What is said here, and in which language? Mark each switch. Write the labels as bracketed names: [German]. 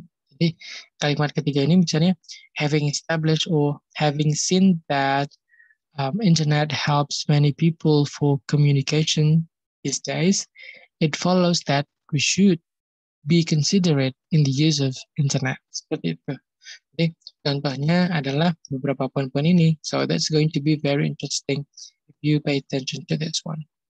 [Indonesian] Jadi kalimat ketiga ini misalnya, [English] having established or having seen that internet helps many people for communication these days, it follows that we should be considerate in the use of internet. [Indonesian] Seperti itu. Jadi, contohnya adalah beberapa poin-poin ini. [English] So that's going to be very interesting if you pay attention to this one.